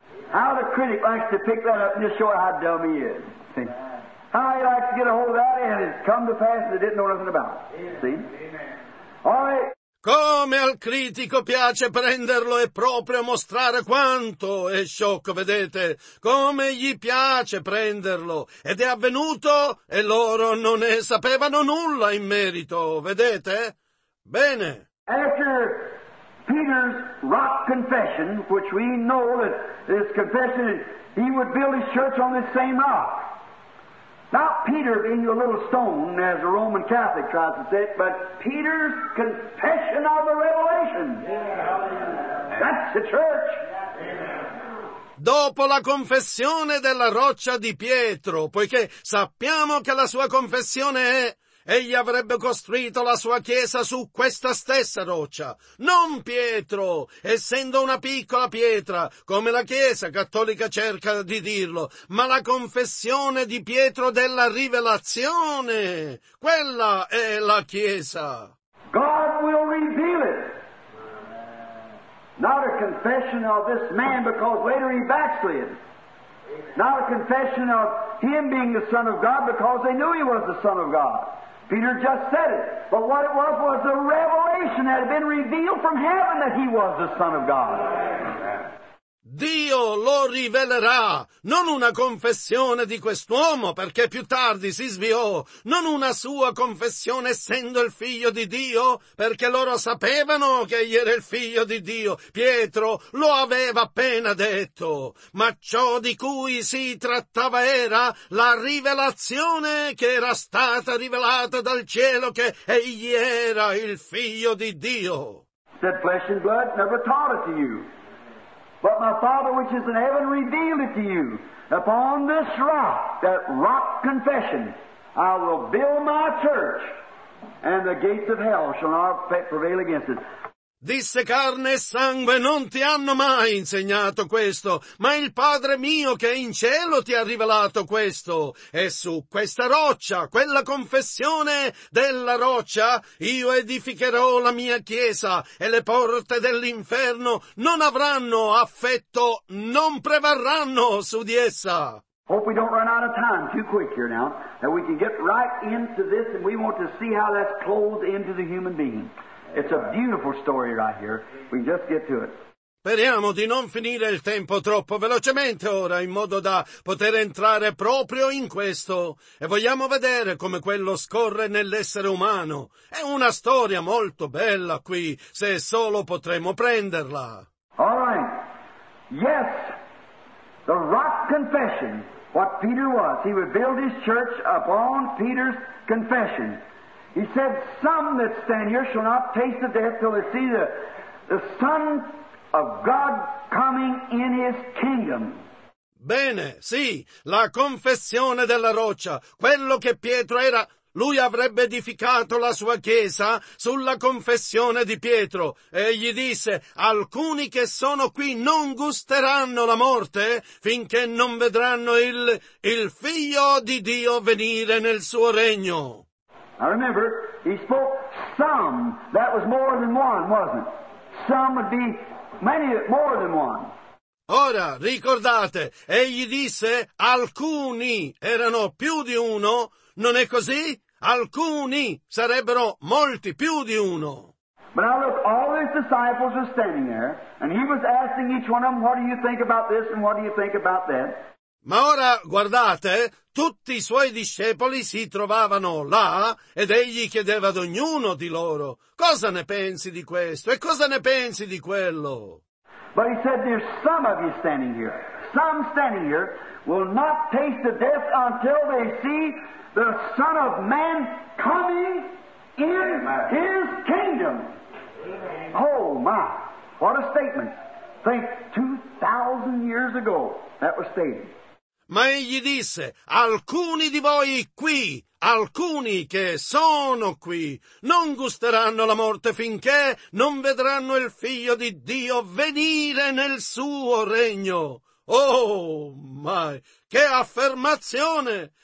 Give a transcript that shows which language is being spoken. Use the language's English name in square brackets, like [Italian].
[English] How the critic likes to pick that up and just show how dumb he is. See? How he likes to get a hold of that and it's come to pass that it didn't know nothing about. See? All right. [Italian] Come al critico piace prenderlo e proprio mostrare quanto è sciocco, vedete? Come gli piace prenderlo. Ed è avvenuto e loro non ne sapevano nulla in merito, vedete? Bene. [English] After Peter's rock confession, which we know that this confession, he would build his church on this same rock. Not Peter being a little stone, as a Roman Catholic tries to say it, but Peter's confession of the revelation. Yeah. That's the church. [Italian] Dopo la confessione della roccia di Pietro, poiché sappiamo che la sua confessione è, egli avrebbe costruito la sua chiesa su questa stessa roccia, non Pietro, essendo una piccola pietra, come la Chiesa cattolica cerca di dirlo, ma la confessione di Pietro della rivelazione, quella è la Chiesa. [English] God will reveal it. Not a confession of this man, because later he backslid. Not a confession of him being the Son of God, because they knew he was the Son of God. Peter just said it, but what it was a revelation that had been revealed from heaven that he was the Son of God. [Italian] Dio lo rivelerà, non una confessione di quest'uomo, perché più tardi si sviò, non una sua confessione essendo il figlio di Dio, perché loro sapevano che egli era il figlio di Dio. Pietro lo aveva appena detto, ma ciò di cui si trattava era la rivelazione che era stata rivelata dal cielo che egli era il figlio di Dio. [English] That flesh and blood never taught it to you. But my Father which is in heaven revealed it to you. Upon this rock, that rock confession, I will build my church, and the gates of hell shall not prevail against it. [Italian] Disse: carne e sangue non ti hanno mai insegnato questo, ma il Padre mio che è in cielo ti ha rivelato questo. E su questa roccia, quella confessione della roccia, io edificherò la mia chiesa, e le porte dell'inferno non avranno affetto, non prevarranno su di essa. [English] Hope we don't run out of time too quick here now, that we can get right into this, and we want to see how that's clothed into the human being. It's a beautiful story right here. We just get to it. [Italian] Speriamo di non finire il tempo troppo velocemente ora, in modo da poter entrare proprio in questo. E vogliamo vedere come quello scorre nell'essere umano. È una storia molto bella qui, se solo potremo prenderla. [English] All right. Yes. The rock confession. What Peter was. He would build his church upon Peter's confession. He said, some that stand here shall not taste of death till they see the Son of God coming in His kingdom. [Italian] Bene, sì, la confessione della roccia, quello che Pietro era, lui avrebbe edificato la sua chiesa sulla confessione di Pietro. E gli disse, alcuni che sono qui non gusteranno la morte finché non vedranno il Figlio di Dio venire nel suo regno. [English] I remember, he spoke some, that was more than one, wasn't it? Some would be many, more than one. [Italian] Ora, ricordate, egli disse, alcuni erano più di uno, non è così? Alcuni sarebbero molti più di uno. [English] But now look, all his disciples were standing there, and he was asking each one of them, what do you think about this and what do you think about that? [Italian] Ma ora, guardate, tutti i suoi discepoli si trovavano là, ed egli chiedeva ad ognuno di loro, cosa ne pensi di questo e cosa ne pensi di quello? [English] But he said, there's some of you standing here. Some standing here will not taste the death until they see the Son of Man coming in His kingdom. Oh my, what a statement. Think 2,000 years ago that was stated. [Italian] Ma egli disse, alcuni di voi qui, alcuni che sono qui, non gusteranno la morte finché non vedranno il Figlio di Dio venire nel suo regno. Oh, ma che affermazione!